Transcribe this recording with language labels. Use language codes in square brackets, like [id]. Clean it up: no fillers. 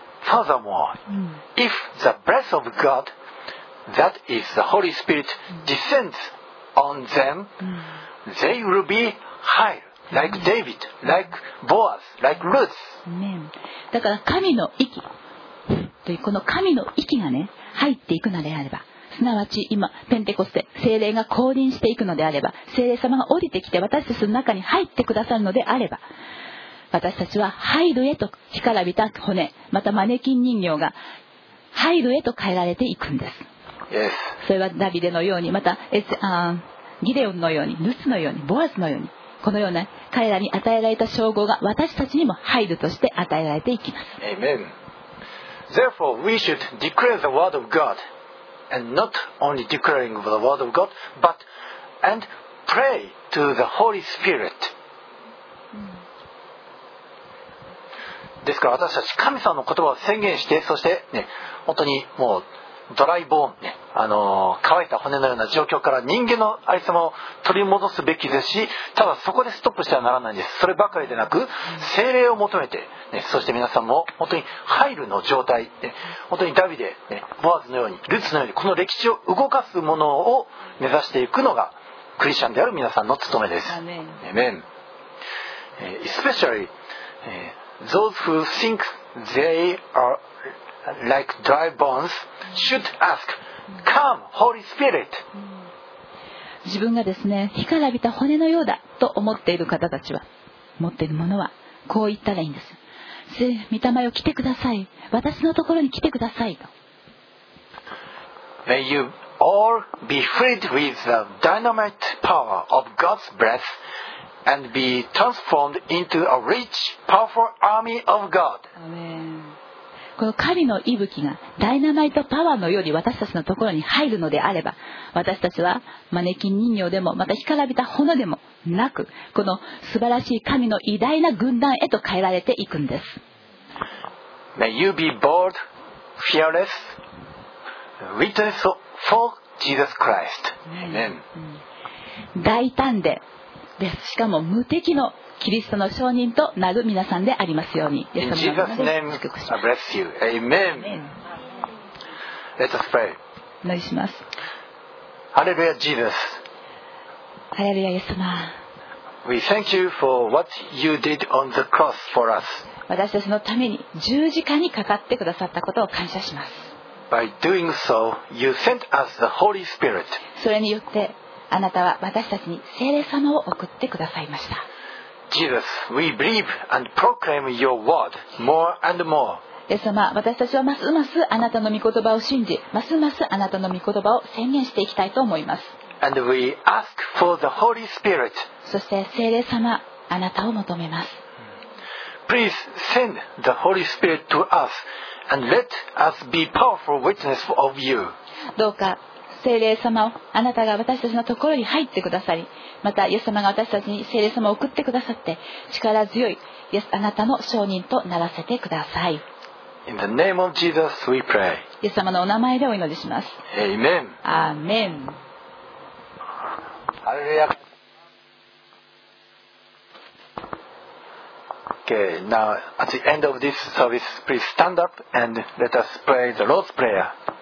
[en] Furthermore, if the breath of God, that is the Holy Spirit, descends on them, they will be high, like David, like Boaz, like Ruth. Amen. [ja] だから神の息という、この神の息がね、入っていくのであれば、すなわち今ペンテコステ、聖霊が降臨していくのであれば、聖霊様が降りてきて私たちの中に入ってくださるのであれば、私たちはハイルへと、干からびた骨、またマネキン人形がハイルへと変えられていくんです。 [en] Yes. [ja] それはダビデのように、またギデオンのように、ルスのように、ボアズのように、このような彼らに与えられた称号が私たちにもハイルとして与えられていきます。 [en] Amen. Therefore, we should declare the word of God, and not only declaring the word of God, but and pray to the Holy Spirit. [ja] ですから私たち神様の言葉を宣言して、そして、ね、本当にもうドライボーン、ね、乾いた骨のような状況から人間のありさまを取り戻すべきですし、ただそこでストップしてはならないんです。そればかりでなく、聖霊を求めて、ね、そして皆さんも本当に入るの状態、ね、本当にダビデ、ね、ボアズのようにルツのようにこの歴史を動かすものを目指していくのがクリスチャンである皆さんの務めです。アメン。 [en] Especially、Those who think they are like dry bones should ask, Come, Holy Spirit. [ja] 自分がですね、干からびた骨のようだと思っている方たちは、持っているものはこう言ったらいいんです。御霊よ、来てください。私のところに来てくださいと。 [en] May you all be filled with the dynamite power of God's breath. And be transformed into a rich, powerful army of God. [ja] この神の息吹がダイナマイトパワーのように私たちのところに入るのであれば、私たちはマネキン人形でも、また干からびた骨でもなく、この素晴らしい神の偉大な軍団へと変えられていくんです。 [en] May you be bold, fearless, witness for Jesus Christ. Amen. [ja] 大胆で、でしかも無敵のキリストの証人となる皆さんでありますように。 [en] In Jesus' name, I bless you. Amen. Let us pray. [ja] 祈りします。 [en] Hallelujah, Jesus. [ja] Hallelujah, イエス様。 [en] We thank you for what you did on the cross for us. [ja] 私たちのために十字架にかかってくださったことを感謝します。 [en] By doing so, you sent us the Holy Spirit. [ja] それによって、あなたは私たちに聖霊様を送ってくださいました。 [en] Jesus, we believe and proclaim your word more and more. [ja] イエス様、私たちはますますあなたの御言葉を信じ、ますますあなたの御言葉を宣言していきたいと思います。 [en] And we ask for the Holy Spirit. [ja] そして聖霊様、あなたを求めます。 [en] Please send the Holy Spirit to us and let us be powerful witness of you. [ja] どうか聖霊様をあなたが私たちのところに入ってくださり、またイエス様が私たちに聖霊様を送ってくださって、力強いイエスあなたの証人とならせてください。 [en] In the name of Jesus, we pray. [ja] イエス様のお名前でお祈りします。 [en] Amen. Amen. Okay, now at the end of this service, please stand up and let us pray the Lord's Prayer.